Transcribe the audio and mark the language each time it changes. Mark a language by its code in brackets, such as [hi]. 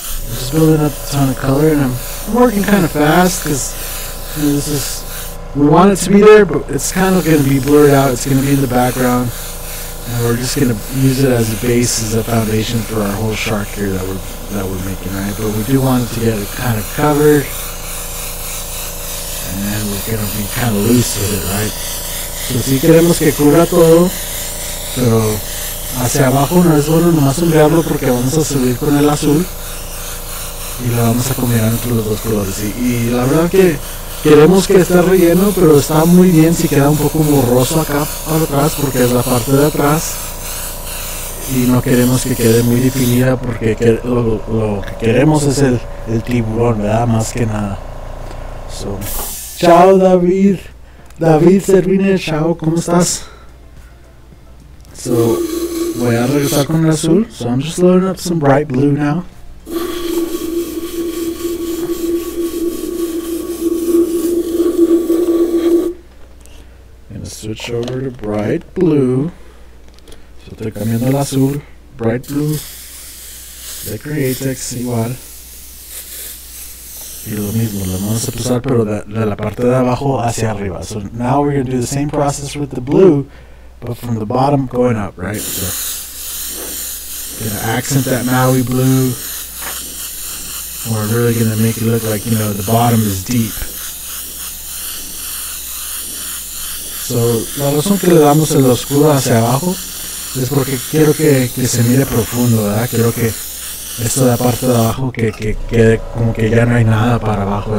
[en] I'm just building up a ton of color, and I'm working kind of fast because, you know, this is, we want it to be there, but it's kind of going to be blurred out. It's going to be in the background. And we're just going to use it as a base, as a foundation for our whole shark here that we're making, right? But we do want it to get it kind of covered. And then we're going to be kind of loose with it, right? [es] So si queremos que cubra todo, pero hacia abajo no es bueno nomás sombrearlo porque vamos a subir con el azul. Y lo vamos a combinar entre los dos colores. Y la verdad que queremos que esté relleno, pero está muy bien si queda un poco borroso acá para atrás, porque es la parte de atrás. Y no queremos que quede muy definida, porque lo que queremos es el tiburón, ¿verdad? Más que nada. So. ¡Chao, David! ¡David Servine! ¡Chao! ¿Cómo estás? So, voy a regresar con el azul. [en] So, I'm just loading up some bright blue now. Switch over to bright blue. [es] So estoy cambiando el azul, bright blue, de Createx igual. Y lo mismo, lo vamos a pasar pero de la parte de abajo hacia arriba. [en] So now we're going to do the same process with the blue, but from the bottom going up, right? So going to accent that Maui blue. We're really going to make it look like, you know, the bottom is deep. [es] So, la razón que le damos el oscuro hacia abajo es porque quiero que se mire profundo, ¿verdad? Quiero que Esto de la parte de abajo que como que ya no hay nada para abajo.